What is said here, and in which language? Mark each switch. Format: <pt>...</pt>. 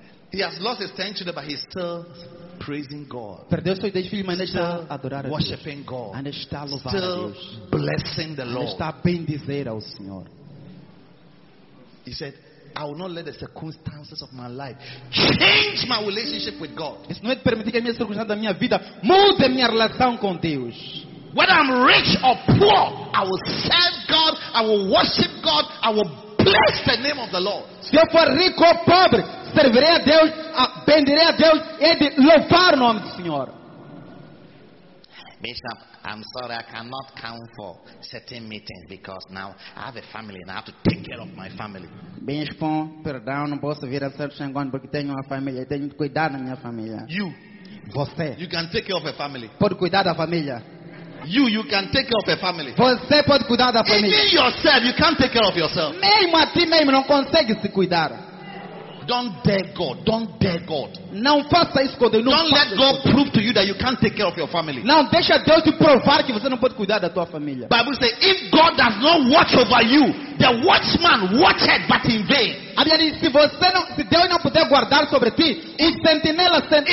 <en>He has lost his 10 children, but he's still praising God.</en> <pt>Perdeu seus 10 filhos, mas ainda está adorando,</pt> <en>worshiping God,</en> <pt>ainda está a louvar,</pt> <en>still</en> <pt>a Deus,</pt> <en>blessing the Lord,</en> <pt>ainda está a bendizer ao Senhor.</pt> <en>He said, I will not let the circumstances of my life change my relationship with God.</en> <pt>Isso não é de permitir que a minha circunstância da minha vida mude a minha relação com Deus.</pt> <en>Whether I'm rich or poor, I will serve God, I will worship God, I will bless the name of the Lord.</en> <pt>Se eu for rico ou pobre, servirei a Deus, bendirei a Deus e de louvar o nome do Senhor.</pt> <en>Bishop, I'm sorry, I cannot come for certain meetings because now I have a family and I have to take care of my family.</en> <pt>Bishop, perdão, não posso vir a certos encontros porque tenho uma família, tenho que cuidar da minha família.</pt> <en>You,</en> <pt>você,</pt> <en>you can take care of a family.</en> <pt>Pode cuidar da família.</pt> <en>You can take care of a family.</en> <pt>Você pode cuidar da família.</pt> <en>Even yourself, you can't take care of yourself.</en> <pt>Mesmo a ti mesmo não consegue se cuidar.</pt> <en>Don't dare God. Don't dare God.</en> <pt>Não faça isso com Deus.</pt> <en>Don't let God prove to you that you can't take care of your family.</en> <pt>Não deixa Deus te provar que você não pode cuidar da tua família.</pt> <en>Bible says, if God does not watch over you, the watchman watched but in vain.</en> <pt>A Bíblia diz, se você não, se Deus não puder guardar sobre ti, o sentinela sente.</pt>